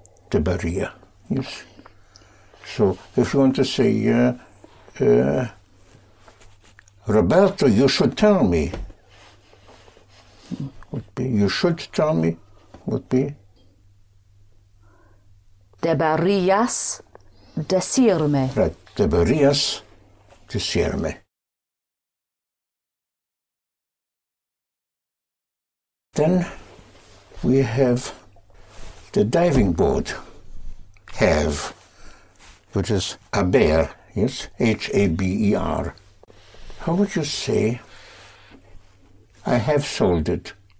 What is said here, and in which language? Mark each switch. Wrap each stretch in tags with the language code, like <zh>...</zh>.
<en>Debería, yes. So if you want to say, Roberto, you should tell me, would be, you should tell me, would be,</en> <es>deberías decirme. Right, deberías decirme.</es> <en>Then we have the diving board, have, which is haber, yes, H-A-B-E-R. How would you say, I have sold it?</en>